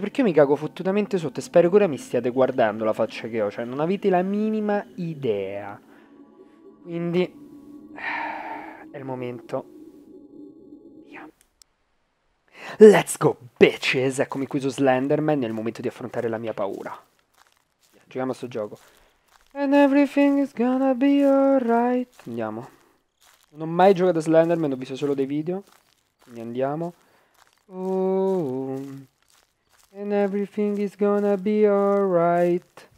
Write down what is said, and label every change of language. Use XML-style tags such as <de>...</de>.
<it>Perché io mi cago fottutamente sotto e spero che ora mi stiate guardando la faccia che ho, cioè non avete la minima idea. Quindi è il momento.</it> <en>Let's go, bitches.</en> <it>Eccomi qui su Slenderman, è il momento di affrontare la mia paura. Giochiamo a sto gioco.</it> <en>And everything is gonna be alright.</en> <it>Andiamo. Non ho mai giocato a Slenderman, ho visto solo dei video. Quindi andiamo.</it> <en>Oh, and everything is gonna be alright.</en>